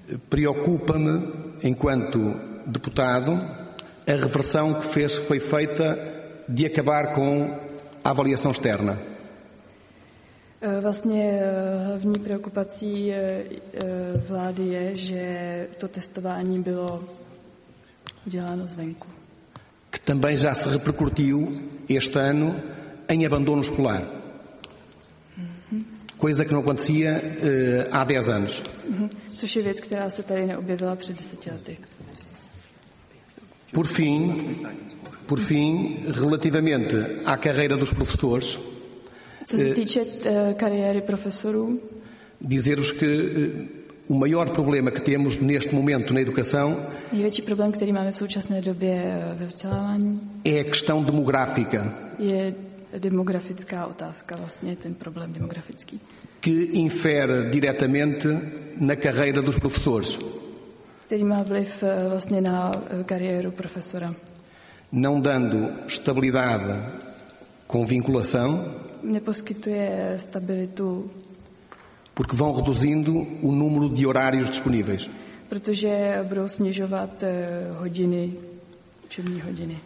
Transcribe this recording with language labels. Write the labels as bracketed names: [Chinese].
[Portuguese] Preocupa-me, enquanto deputado, a reversão que foi feita de acabar com a avaliação externa. [Czech] Vlastně hlavní preocupací vlády je, že to testování bylo uděláno zvenku. [Portuguese] Que também já se repercutiu este ano em abandono escolar. Coisa que não acontecia há 10 anos. [Czech] Což je věc, která se tady neobjevila před 10 lety. [Portuguese] Por fim, relativamente à carreira dos professores, [Czech] co se týče kariéry profesorů, [Portuguese] dizer-vos que o maior problema que temos neste momento na educação, [Czech] největší problém, který máme v současné době ve vzdělávání, [Portuguese] é a questão demográfica. [Czech] Je demografická otázka, vlastně ten problém demografický. [Portuguese] Que infere diretamente na carreira dos professores. [Czech] Který má vliv vlastně na kariéru profesora. [Portuguese] Não dando estabilidade com vinculação. [Czech] Neposkytuje stabilitu. [Portuguese] Porque vão reduzindo o número de horários disponíveis. [Czech] Protože budou snižovat hodiny, učební hodiny.